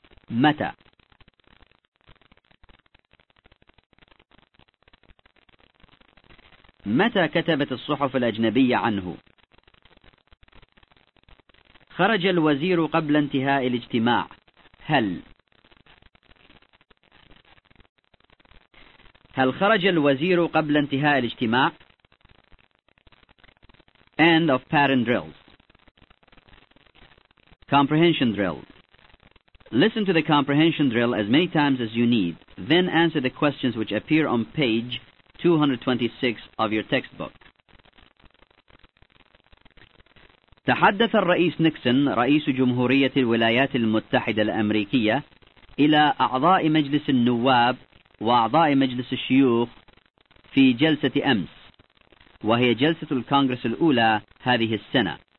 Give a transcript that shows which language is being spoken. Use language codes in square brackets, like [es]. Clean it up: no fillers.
[ar] متى؟ متى كتبت الصحف الأجنبية عنه؟ خرج الوزير قبل انتهاء الاجتماع. هل؟ هل خرج الوزير قبل انتهاء الاجتماع؟ [en] End of pattern drills. Comprehension drill. Listen to the comprehension drill as many times as you need, then answer the questions which appear on page 226 of your textbook. [ar] تحدث الرئيس نيكسون رئيس جمهورية الولايات المتحدة الأمريكية إلى أعضاء مجلس النواب وأعضاء مجلس الشيوخ في جلسة أمس، وهي جلسة الكونغرس الأولى هذه السنة.